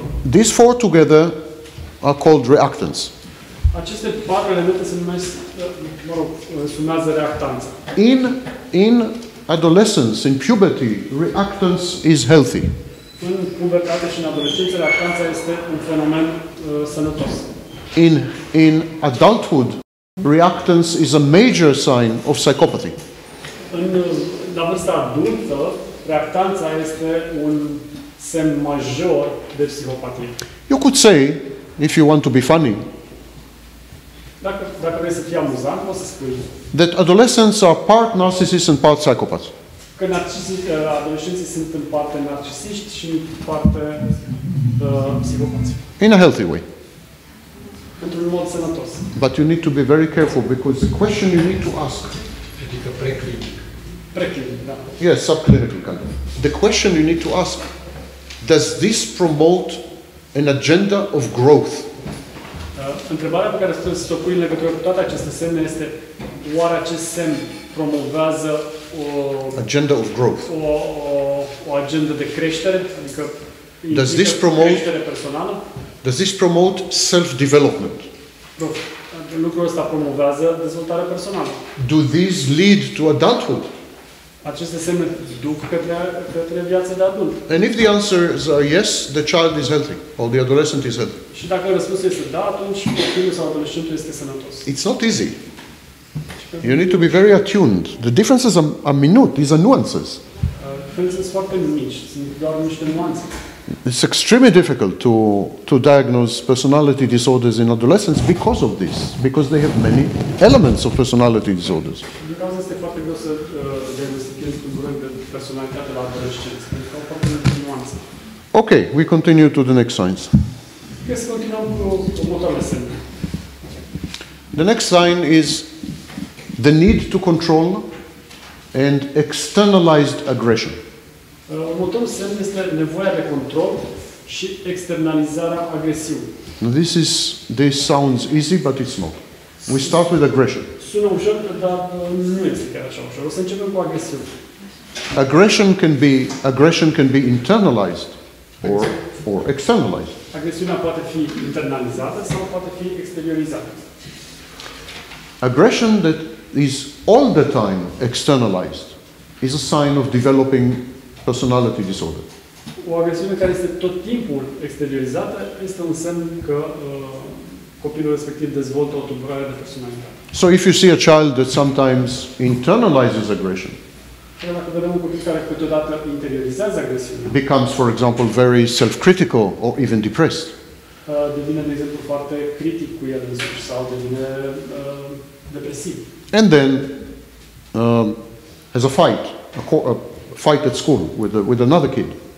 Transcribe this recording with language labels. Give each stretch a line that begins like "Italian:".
English: These four together are called reactants.
Romanian: Aceste patru elemente se numesc, mă rog, sumează reactanță.
English: In adolescence, in puberty, reactance is healthy.
Romanian: În pubertate și în adolescență, reactanța este un fenomen sănătos.
English: In adulthood, reactance is a major sign of psychopathy.
Romanian: La vârsta adultă, reactanța este un semn major de psihopatie.
English: You could say, if you want to be funny,
Romanian: dacă vrei să fii amuzant, poți să spui
English: that adolescents are part narcissists and part psychopaths.
Romanian: Că adolescenții sunt în parte narcisiști și în parte psihopați.
English: In a healthy way.
Romanian: Într-un mod sănătos.
English: But you need to be very careful because the question you need to ask.
Romanian: Adică preclinic.
English: Yes, subclinical kind of. The question you need to ask, does this promote an agenda of growth?
Romanian: Întrebarea pe care trebuie să o pui în legătură cu toate aceste semne este, oare acest semn promovează
English: agenda of growth?
Romanian: O agenda de creștere, adică
English: does this promote
Romanian: creștere personală?
English: Does this promote self-development?
Romanian: Lucrul ăsta promovează dezvoltarea personală.
English: Do these lead to adulthood?
Romanian: Aceste semne duc către viața de adult.
English: And if the answer is yes, the child is healthy, or the adolescent is healthy.
Romanian: Și dacă răspunsul este da, atunci copilul sau adolescentul este sănătos.
English: It's not easy. You need to be very attuned. The differences are minute. These are nuances.
Romanian: Differences foarte mici. Sunt doar niște nuanțe.
English: It's extremely difficult to diagnose personality disorders in adolescents because of this, because they have many elements of personality disorders.
Romanian: Din cauza asta este foarte greu să diagnosticezi tulburări de personalitate la adolescență, pentru că au foarte multe nuanțe.
English: Okay, we continue to the next signs.
Romanian: Trebuie să continuăm cu următoarele semne.
English: The next sign is the need to control and externalized aggression.
Romanian: Următorul semn este nevoia de control și externalizarea agresivă.
English: Now this sounds easy, but it's not. We start with aggression.
Romanian: Sună ușor, dar nu este chiar așa ușor. O să începem cu agresiune.
English: Aggression can be internalized or externalized.
Romanian: Agresiunea poate fi internalizată sau poate fi exteriorizată.
English: Aggression that is all the time externalized is a sign of developing personality disorder.
Romanian: O agresiune care este tot timpul exteriorizată este un semn că copilul respectiv dezvoltă o tulburare de personalitate.
English: So if you see a child that sometimes internalizes aggression,
Romanian: dacă vedem un copil care câteodată interiorizează agresiunea,
English: becomes, for example, very self-critical or even depressed,
Romanian: devine, de exemplu, foarte critic cu el însuși sau devine depresiv.
English: And then has a fight, a fight at school with another kid.